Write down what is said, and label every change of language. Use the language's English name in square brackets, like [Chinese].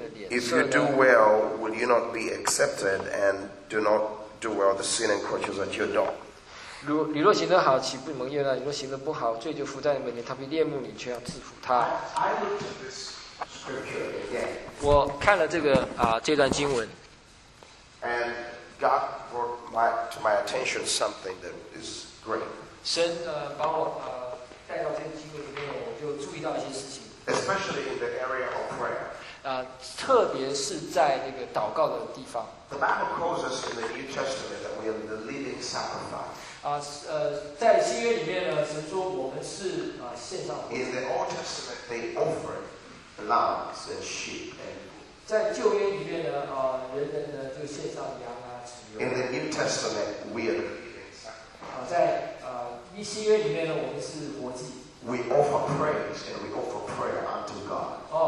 [English] If you do well, will you not be accepted and do not do well, the sin encroaches at your door? [Chinese] 你若行得好，岂不蒙悦纳？你若行得不好，罪就伏在你门前，他必恋慕你，却要制服他。我看了这个这段经文。 [English] And God brought my to my attention something that is great. [Chinese] 神把我带到这个机会里面，我就注意到一些事情。 [English] Especially in the area of prayer. [Chinese] 特别是在那个祷告的地方。 [English] The Bible calls us in the New Testament that we are the living sacrifice. [Chinese] 在新约里面呢，神说我们是献上。 [English] In the Old Testament, they offered lambs and sheep and. [Chinese] 在旧约里面呢，人们呢就献上羊。 [English] In the New Testament, we are the living sacrifice. We offer praise and we offer prayer unto God.